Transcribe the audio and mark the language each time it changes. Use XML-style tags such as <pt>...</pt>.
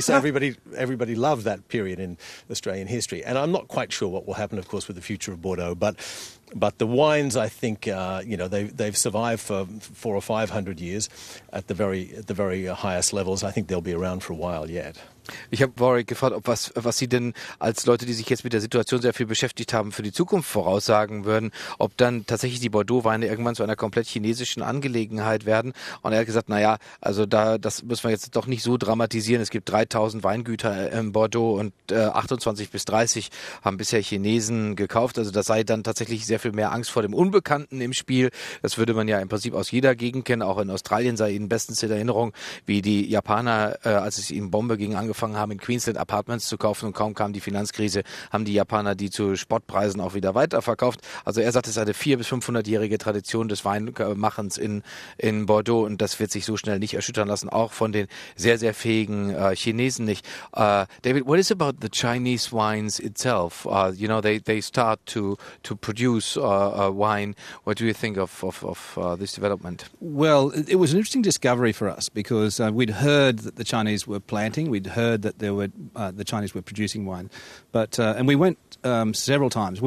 <en>So everybody loved that period in Australian history. And I'm not quite sure what will happen, of course, with the future of Bordeaux, but the wines, I think, you know, they've survived for 400 or 500 years at the very highest levels. I think they'll be around for a while yet.</en> <de>Ich habe Warwick gefragt, ob was Sie denn als Leute, die sich jetzt mit der Situation sehr viel beschäftigt haben, für die Zukunft voraussagen würden, ob dann tatsächlich die Bordeaux-Weine irgendwann zu einer komplett chinesischen Angelegenheit werden. Und er hat gesagt, naja, also das müssen wir jetzt doch nicht so dramatisieren. Es gibt 3000 Weingüter in Bordeaux und 28 bis 30 haben bisher Chinesen gekauft. Also das sei dann tatsächlich sehr viel mehr Angst vor dem Unbekannten im Spiel. Das würde man ja im Prinzip aus jeder Gegend kennen. Auch in Australien sei Ihnen bestens in Erinnerung, wie die Japaner, als es ihnen Bombe ging, angefangen haben, in Queensland Apartments zu kaufen, und kaum kam die Finanzkrise, haben die Japaner die zu Spottpreisen auch wieder weiterverkauft. Also er sagt, es ist eine 400- bis 500-jährige Tradition des Weinmachens in Bordeaux, und das wird sich so schnell nicht erschüttern lassen, auch von den sehr, sehr fähigen Chinesen nicht.</de> <en>David, what is about the Chinese wines itself? You know, they start to produce wine. What do you think of this development? Well, it was an interesting discovery for us, because we'd heard that the Chinese were planting, we'd heard that there were the Chinese were producing wine, but and we went several times.</en>